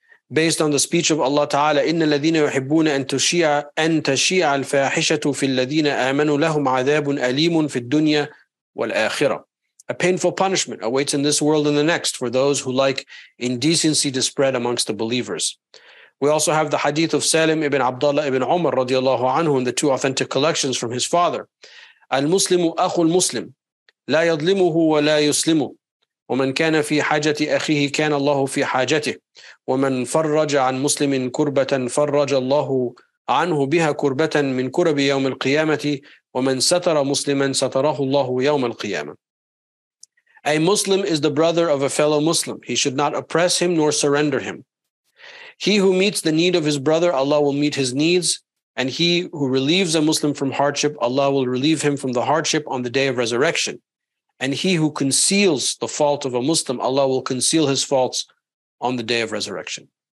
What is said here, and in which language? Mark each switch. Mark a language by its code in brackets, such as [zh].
[en] Based on the speech of Allah Ta'ala, [ar] إِنَّ الَّذِينَ يُحِبُّونَ أَن تَشِيعَ الْفَاحِشَةُ فِي الَّذِينَ آمَنُوا لَهُمْ عَذَابٌ أَلِيمٌ فِي الدُّنْيَا وَالْآخِرَةِ. [en] A painful punishment awaits in this world and the next for those who like indecency to spread amongst the believers. We also have the hadith of Salim ibn Abdullah ibn Umar radiallahu anhu in the two authentic collections from his father. [ar] الْمُسْلِمُ أَخُ الْمُسْلِمُ لا يظلمه ولا يسلمه ومن كان في حاجة أخيه كان الله في حاجته ومن فرج عن مسلم كربة فرج الله عنه بها كربة من كرب يوم القيامة ومن ستر مسلما ستره الله يوم القيامة. [en] A Muslim is the brother of a fellow Muslim. He should not oppress him nor surrender him. He who meets the need of his brother, Allah will meet his needs. And he who relieves a Muslim from hardship, Allah will relieve him from the hardship on the day of resurrection. And he who conceals the fault of a Muslim, Allah will conceal his faults on the day of resurrection.